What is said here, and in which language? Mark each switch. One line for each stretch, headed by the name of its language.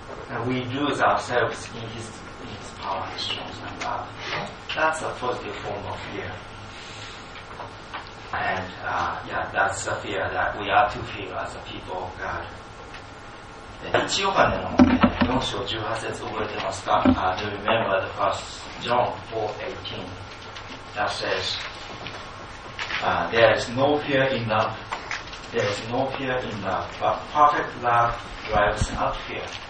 English: And we lose ourselves in his power and strength and love. That's a positive form of fear. And that's a fear that we are to fear as a people of God.
Japanese: 1 ヨハネの4章18節覚えてますか?
English: Do you remember the first John 4:18 that says, there is no fear in love. There is no fear in love, but perfect love drives out fear.